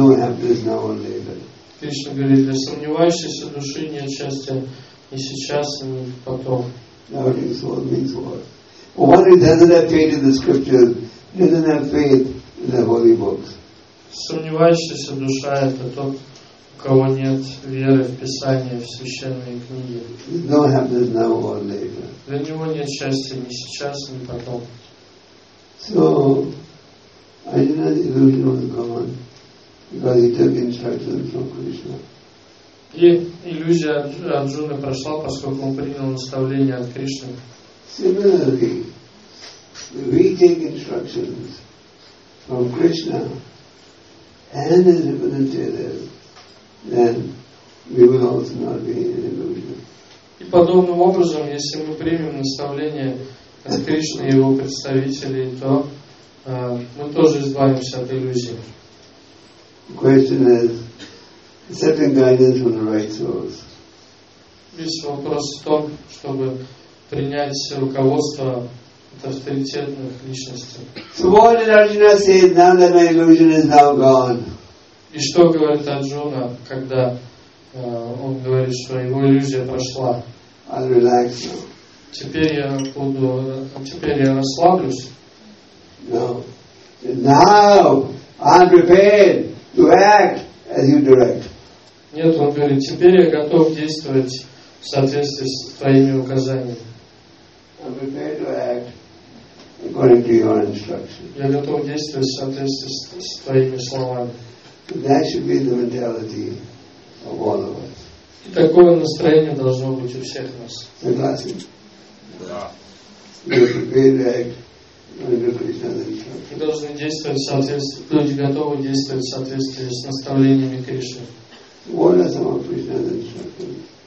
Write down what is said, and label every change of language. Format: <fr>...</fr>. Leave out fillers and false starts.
<ru>Кришна говорит, для сомневающейся души нет счастья ни сейчас, ни потом.</ru> <en>Doubting soul means what? One who doesn't have faith in the scriptures doesn't have faith in the holy books.</en> <ru>Сомневающаяся душа – это тот, у кого нет веры в Писание, в священные книги.</ru> <en>No happiness now or later.</en> <ru>Для него нет счастья ни сейчас, ни потом.</ru> <en>So, Arjuna's illusion was gone because he took instructions from Krishna.</en> <ru>И иллюзия Арджуны прошла, поскольку он принял наставление от Кришны.</ru> <en>Similarly, we take instructions from Krishna and his representatives, then we will also not be in illusion.</en> <ru>И подобным образом, если мы примем наставление от Кришны и его представителей, то мы тоже избавимся от иллюзии.</ru> <en>Question is, accepting guidance from the right source.</en> <ru>Весь вопрос в том, чтобы принять руководство от авторитетных личностей.</ru> <en>So what did Arjuna say now that my illusion is now gone?</en> <ru>И что говорит Арджуна, когда он говорит, что его иллюзия прошла?</ru> <en>I'll relax now.</en> <ru>Теперь я расслаблюсь.</ru> <en>No. Now I'm prepared to act as you direct.</en> <ru>Нет, он говорит, теперь я готов действовать в соответствии с твоими указаниями.</ru> <en>I'm prepared to act according to your instructions.</en> <ru>Я готов действовать в соответствии с твоими словами.</ru> <en>That should be the mentality of all of us.</en> <ru>И такое настроение должно быть у всех нас. Согласен? Да.</ru> <en>You're prepared to act according to Krishna's instructions.</en> <ru>Мы должны действовать в соответствии, люди готовы действовать в соответствии с наставлениями Кришны.</ru> <en>What are some of Krishna's instructions?</en>